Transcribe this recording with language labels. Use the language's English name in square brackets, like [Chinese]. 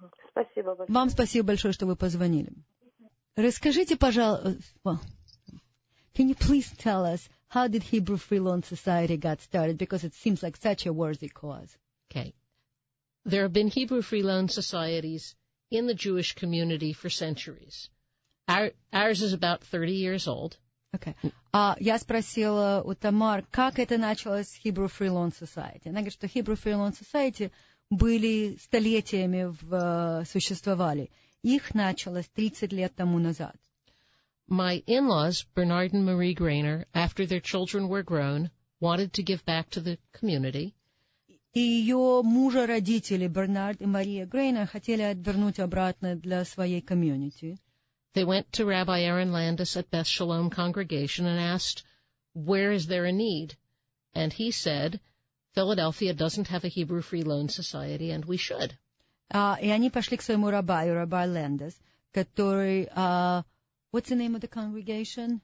[Russian] Спасибо большое. Вам спасибо большое, что вы позвонили. Расскажите, пожалуйста, [English] can you please tell us how did Hebrew Free Loan Society got started, because it seems like such a worthy cause. Okay. There have been Hebrew Free Loan Societies in the Jewish community for centuries. Ours is about 30 years old. [Russian] Okay. Я спросила у Тамар, как это началось Hebrew Free Loan Society. Она говорит, что Hebrew Free Loan Society были столетиями существовали. Их началось 30 лет тому назад. [English] My in-laws, Bernard and Marie Grainer, after their children were grown, wanted to give back to the community. [Russian] И ее мужа родители, Бернард и Мария Грейнер, хотели отвернуть обратно для своей комьюнити. [English] They went to Rabbi Aaron Landis at Beth Shalom Congregation and asked, where is there a need? And he said, Philadelphia doesn't have a Hebrew Free Loan Society, and we should. [Russian] И они пошли к своему рабаю, Рабай Лендес, который, [English] what's the name of the congregation?